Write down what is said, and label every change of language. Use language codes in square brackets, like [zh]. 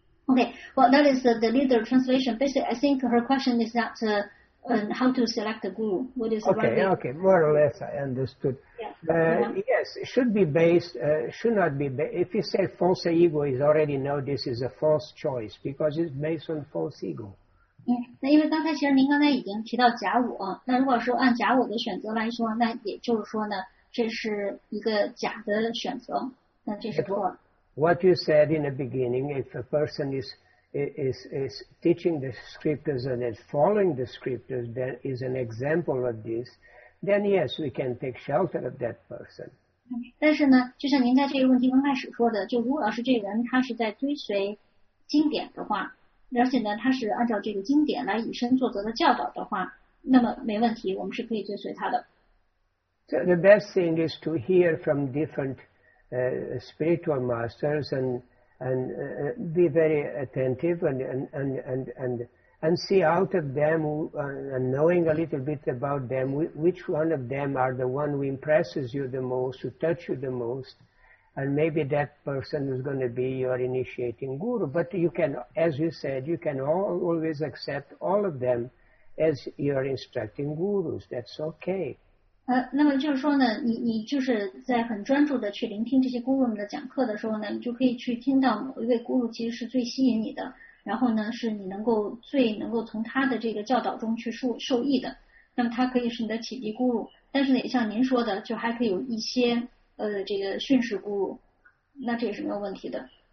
[en] Okay, well, that is the leader translation. Basically, I think her question is that how to select a guru. What is okay, right? Okay, more or less I understood. Yes, it should be based, should not be based. If you say false ego, you already know this is a false choice because it's based on false ego. [zh] 那因为刚才其实您刚才已经提到假我，那如果说按假我的选择来说，那也就是说呢，这是一个假的选择，那这是错了。 [en] What you said in the beginning, if a person is teaching the scriptures and is following the scriptures, there is an example of this. Then yes, we can take shelter of that person. [zh] 但是呢，就像您在这个问题刚开始说的，就如果要是这个人他是在追随经典的话，而且呢他是按照这个经典来以身作则的教导的话，那么没问题，我们是可以追随他的。 [en] So the best thing is to hear from different spiritual masters and be very attentive and see out of them, and knowing a little bit about them, which one of them are the one who impresses you the most, who touch you the most, and maybe that person is going to be your initiating guru. But you can, as you said, you can always accept all of them as your instructing gurus. That's okay. [zh] 那么就是说呢，你就是在很专注的去聆听这些guru们的讲课的时候呢，你就可以去听到某一位guru其实是最吸引你的。然后呢是你能够最能够从他的这个教导中去受益的。那么他可以是你的启迪咕噜，但是也像您说的，就还可以有一些这个训示咕噜，那这也是没有问题的。